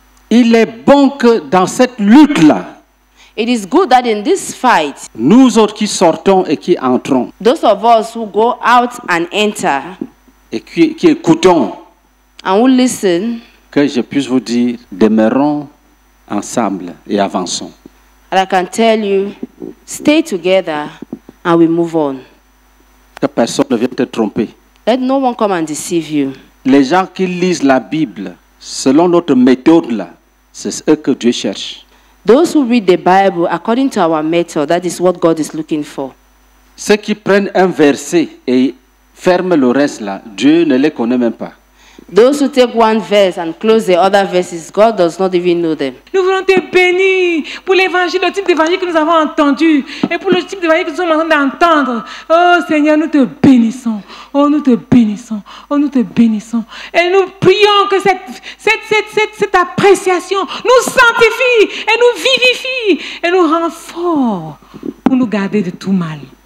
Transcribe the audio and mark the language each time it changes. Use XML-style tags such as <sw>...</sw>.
<fr>Il est bon que dans cette lutte-là,</fr> <en>it is good that in this fight,</en> <fr>nous autres qui sortons et qui entrons,</fr> <en>those of us who go out and enter,</en> <fr>et qui écoutons,</fr> <en>and who listen,</en> <fr>que je puisse vous dire, demeurons ensemble et avançons.</fr> <en>And I can tell you, stay together and we move on.</en> <fr>Que personne ne vienne te tromper.</fr> <en>Let no one come and deceive you.</en> <fr>Les gens qui lisent la Bible, selon notre méthode là, c'est ce que Dieu cherche.</fr> <en>Those who read the Bible according to our method, that is what God is looking for.</en> <fr>Ceux qui prennent un verset et ferment le reste là, Dieu ne les connaît même pas.</fr> <en>Those who take one verse and close the other verses, God does not even know them.</en> <fr>Nous voulons te bénir pour l'évangile, le type d'évangile que nous avons entendu et pour le type d'évangile que nous sommes en train d'entendre. Oh Seigneur, nous te bénissons. Oh, nous te bénissons. Oh, nous te bénissons. Et nous prions que cette appréciation nous sanctifie et nous vivifie et nous rend fort pour nous garder de tout mal.</fr>